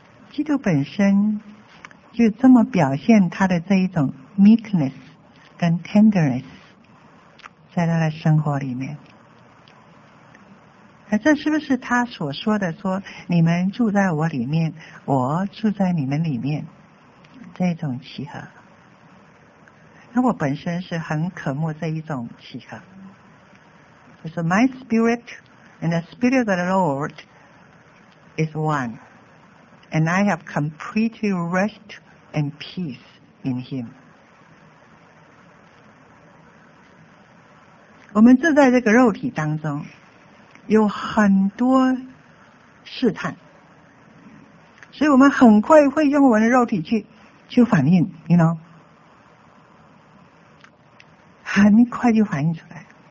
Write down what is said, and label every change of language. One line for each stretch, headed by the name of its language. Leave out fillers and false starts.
Chinese: 基督本身就这么表现他的这一种 meekness 跟 tenderness 在他的生活里面。而这是不是他所说的，说你们住在我里面，我住在你们里面，这一种契合。那我本身是很渴慕这一种契合，就是
English: my spirit and the spirit of the Lord is one and I have complete rest and peace in him。
Chinese: 我们住在这个肉体当中，有很多试探，所以我们很快会用我们的肉体去反应，
English: you know，
Chinese: 很快就反应出来。